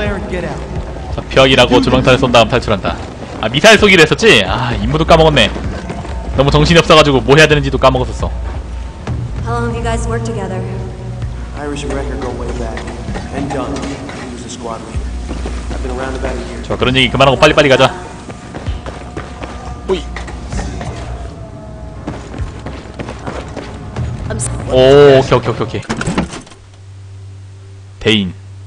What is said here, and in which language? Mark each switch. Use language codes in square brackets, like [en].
[ko] 자, 벽이라고 조명탄을 쏜 다음 탈출한다 아 미사일 쏘기로 했었지? 아 임무도 까먹었네 너무 정신이 없어가지고 뭐 해야 되는지도 까먹었었어 [en] How long have you guys worked together? Irish and Wrecker go way back And Dunn, he was a squad leader I've been around about a year [ko] 자 그런 얘기 그만하고 빨리빨리 가자 오이 오 오케이 오케이 오케이 오케이 대인